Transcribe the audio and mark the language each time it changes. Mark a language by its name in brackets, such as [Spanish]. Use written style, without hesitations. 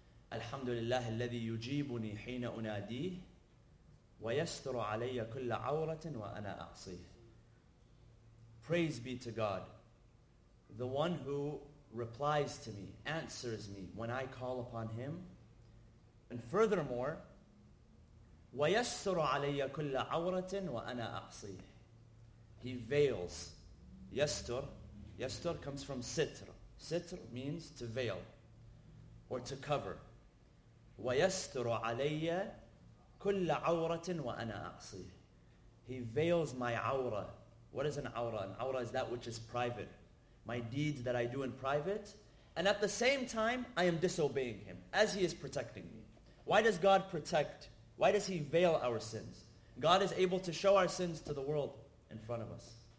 [English] Alhamdulillah, [Arabic] الَّذِي يُجِيبُنِي حِينَ أُنَادِيهِ وَيَسْتُرُ عَلَيَّ كُلَّ عَوْرَةٍ وَأَنَا أَعْصِيهِ. [English] Praise be to God, the one who replies to me, answers me when I call upon him. And furthermore, [Arabic] وَيَسْتُرُ عَلَيَّ كُلَّ عَوْرَةٍ وَأَنَا أَعْصِيهِ. [English] He veils. [Arabic] يَسْتُر. [English] يَسْتُر comes from sitr. Sitr means to veil or to cover. [Arabic] وَيَسْتُرُ عَلَيَّ كل عورة وأنا أعصي. [English] He veils my awra. What is an awra? An awra is that which is private. My deeds that I do in private. And at the same time, I am disobeying him as he is protecting me. Why does God protect? Why does he veil our sins? God is able to show our sins to the world in front of us.